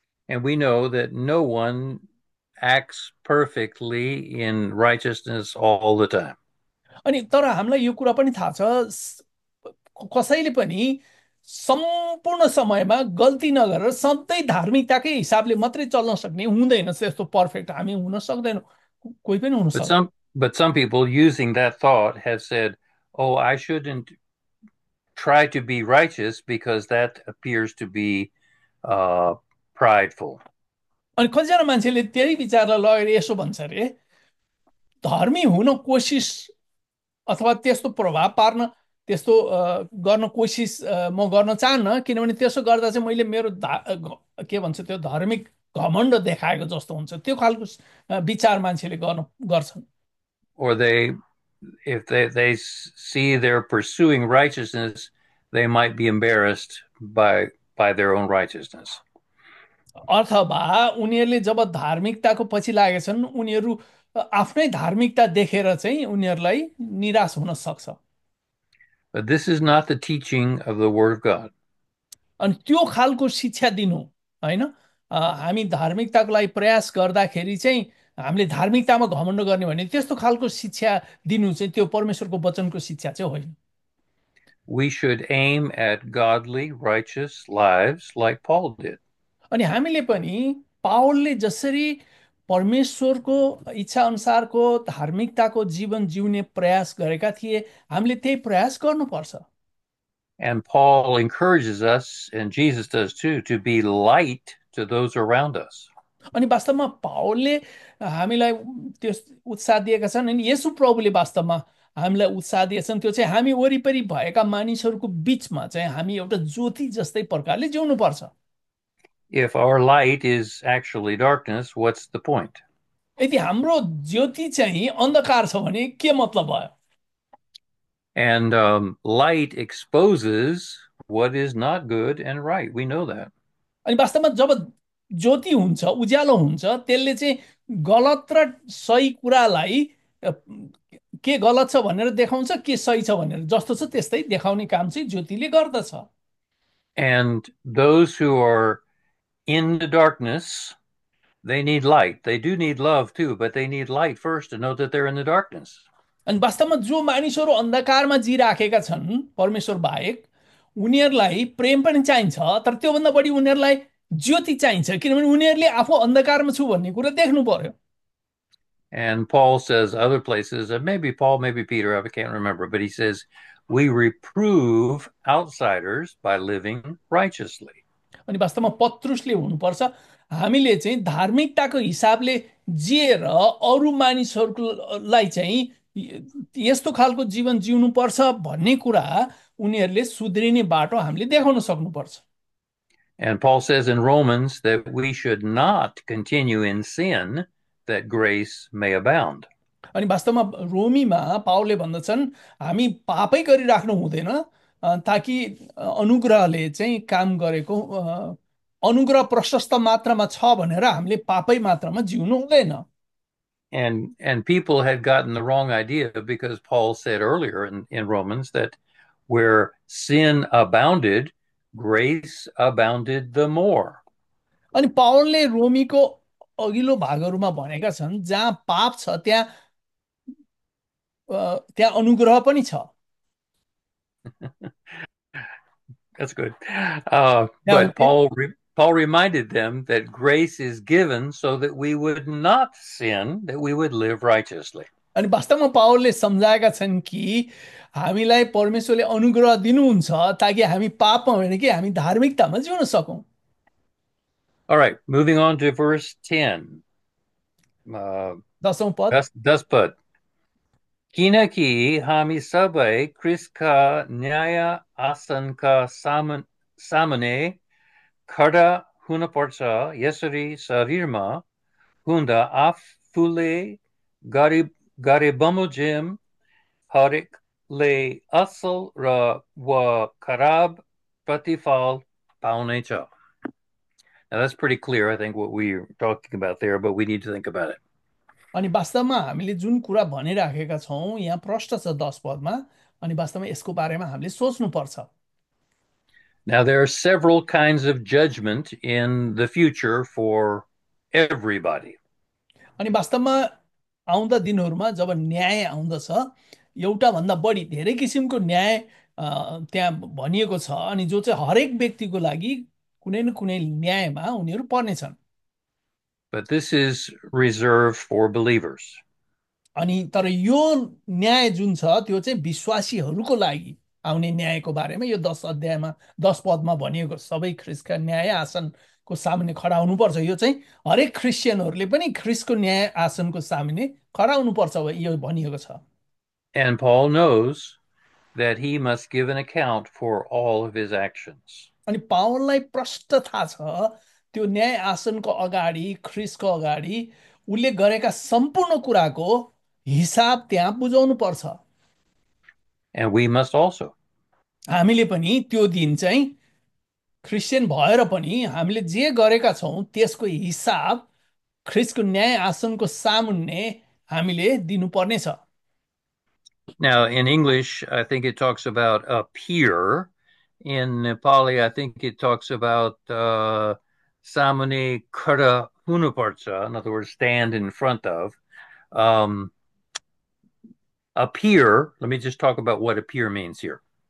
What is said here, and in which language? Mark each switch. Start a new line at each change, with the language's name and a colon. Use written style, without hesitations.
English: And we know that no one acts perfectly in righteousness all the time.
Nepali: अनि तर हामीलाई यो कुरा पनि थाहा छ, कसैले पनि सम्पूर्ण समयमा गल्ती नगरेर सधैँ धार्मिकताकै हिसाबले मात्रै चल्न सक्ने हुँदैन, त्यस्तो पर्फेक्ट हामी हुन सक्दैनौँ, कोही पनि हुन
English: But
Nepali: सक्दैन।
English: some people using that thought have said, oh, I shouldn't try to be righteous because that appears to be prideful.
Nepali: अनि कतिजना मान्छेले त्यही विचारलाई लगेर यसो भन्छ अरे, धर्मी हुन कोसिस अथवा त्यस्तो प्रभाव पार्न, त्यस्तो गर्न कोसिस म गर्न चाहन्न, किनभने त्यसो गर्दा चाहिँ मैले मेरो के भन्छ त्यो धार्मिक घमण्ड देखाएको जस्तो हुन्छ, त्यो खालको विचार मान्छेले गर्न गर्छन्।
English: Or if they see they're pursuing righteousness, they might be embarrassed by their own righteousness.
Nepali: अथवा उनीहरूले जब धार्मिकताको पछि लागेछन्, उनीहरू आफ्नै धार्मिकता देखेर चाहिँ उनीहरूलाई निराश हुन सक्छ।
English: But this is not the teaching of the Word of God.
Nepali: अनि त्यो खालको शिक्षा दिनु होइन, हामी धार्मिकताको लागि प्रयास गर्दाखेरि चाहिँ हामीले धार्मिकतामा घमण्ड गर्ने भने, त्यस्तो खालको शिक्षा दिनु चाहिँ त्यो परमेश्वरको वचनको शिक्षा चाहिँ होइन।
English: We should aim at godly, righteous lives like Paul did.
Nepali: अनि हामीले पनि पावलले जसरी परमेश्वरको इच्छा अनुसारको धार्मिकताको जीवन जिउने प्रयास गरेका थिए, हामीले त्यही प्रयास गर्नुपर्छ।
English: And Paul encourages us, and Jesus does too, to be light to those around us.
Nepali: अनि वास्तवमा पावलले हामीलाई त्यो उत्साह दिएका छन्, अनि येशु प्रभुले वास्तवमा हामीलाई उत्साह दिएछन्, त्यो चाहिँ हामी वरिपरि भएका मानिसहरूको बिचमा चाहिँ हामी एउटा ज्योति जस्तै प्रकारले जिउनु पर्छ।
English: If our light is actually darkness, what's the point?
Nepali: यदि हाम्रो ज्योति चाहिँ अन्धकार छ भने के मतलब भयो?
English: And light exposes what is not good and right. We know that.
Nepali: अनि वास्तवमा जब ज्योति हुन्छ, उज्यालो हुन्छ, त्यसले चाहिँ गलत र सही कुरालाई के गलत छ भनेर देखाउँछ, के सही छ भनेर, जस्तो छ त्यस्तै देखाउने काम चाहिँ ज्योतिले गर्दछ।
English: And those who are in the darkness, they need light. They do need love too, but they need light first to know that they're in the darkness.
Nepali: अनि वास्तवमा जो मानिसहरू अन्धकारमा जिइराखेका छन् परमेश्वर बाहेक, उनीहरूलाई प्रेम पनि चाहिन्छ, तर त्योभन्दा बढी उनीहरूलाई ज्योति चाहिन्छ, किनभने उनीहरूले आफू अन्धकारमा छु भन्ने कुरा देख्नु पर्यो।
English: And Paul says other places, and maybe Paul, maybe Peter, I can't remember, but he says, we reprove outsiders by living righteously.
Nepali: अनि वास्तवमा पत्रुसले हुनुपर्छ, हामीले चाहिँ धार्मिकताको हिसाबले जिएर अरू मानिसहरूकोलाई चाहिँ यस्तो खालको जीवन जिउनु पर्छ भन्ने कुरा उनीहरूले सुध्रिने बाटो हामीले देखाउन सक्नुपर्छ।
English: And Paul says in Romans that we should not continue in sin that grace may abound.
Nepali: अनि वास्तवमा रोमीमा पावलले भन्दछन्, हामी पापै गरिराख्नु हुँदैन ताकि अनुग्रहले चाहिँ काम गरेको, अनुग्रह प्रशस्त मात्रामा छ भनेर हामीले पापै मात्रामा जिउनु हुँदैन।
English: And people had gotten the wrong idea because Paul said earlier in Romans that where sin abounded, grace abounded the more.
Nepali: अनि पावलले रोमीको अघिल्लो भागहरूमा भनेका छन्, जहाँ पाप छ त्यहाँ अनुग्रह पनि छ,
English: That's good.
Nepali: त्यहाँ
English: But
Nepali: हुँदैन।
English: Paul reminded them that grace is given so that we would not sin, that we would live righteously.
Nepali: अनि वास्तवमा पावलले सम्झाएका छन् कि हामीलाई परमेश्वरले अनुग्रह दिनुहुन्छ ताकि हामी पापमा होइन कि हामी धार्मिकतामा जिउन सकौँ।
English: All right, moving on to verse 10.
Nepali: दसौँ पद, दस पद. किनकि हामी सबै क्रिस्का न्याय आसनका सामने खडा हुनुपर्छ यसरी शरीरमा हुँदा आफूले गरे बमोजिम हरेकले असल र वा खराब प्रतिफल पाउनेछ.
English: Now that's pretty clear, I think, what we're talking about there, but we need to think about it.
Nepali: अनि वास्तवमा हामीले जुन कुरा भनिराखेका छौँ यहाँ प्रष्ट छ 10 पदमा, अनि वास्तवमा यसको बारेमा हामीले सोच्नुपर्छ।
English: Now there are several kinds of judgment in the future for everybody.
Nepali: अनि वास्तवमा आउँदा दिनहरूमा जब न्याय आउँदछ, एउटा भन्दा बढी धेरै किसिमको न्याय त्यहाँ भनिएको छ, अनि जो चाहिँ हरेक व्यक्तिको लागि कुनै न कुनै न्यायमा उनीहरू पर्नेछन्।
English: But this is reserved for believers.
Nepali: अनि तर यो न्याय जुन छ त्यो चाहिँ विश्वासीहरूको लागि आउने न्यायको बारेमा यो 10 अध्यायमा 10 पदमा भनिएको, सबै ख्रिस्टका न्याय आसनको सामने खडा हुनुपर्छ। यो चाहिँ हरेक क्रिस्चियनहरूले पनि ख्रिस्टको न्याय आसनको सामने खडा हुनुपर्छ यो भनिएको छ।
English: And Paul knows that he must give an account for all of his actions.
Nepali: अनि पावललाई प्रष्ट थाहा छ त्यो न्याय आसनको अगाडि ख्रिस्टको अगाडि उसले गरेका सम्पूर्ण कुराको हिसाब त्यहाँ बुझाउनु पर्छ।
English: And we must also.
Nepali: हामीले पनि त्यो दिन चाहिँ क्रिस्चियन भएर पनि हामीले जे गरेका छौँ त्यसको हिसाब ख्रिस्टको न्याय आसनको सामुन्ने हामीले दिनुपर्नेछ।
English: Now, in English, I think it talks about a peer. In Nepali, I think it talks about
Nepali: samune kara hunuparcha,
English: in other words, stand in front of. A peer, let me just talk about what a peer means here.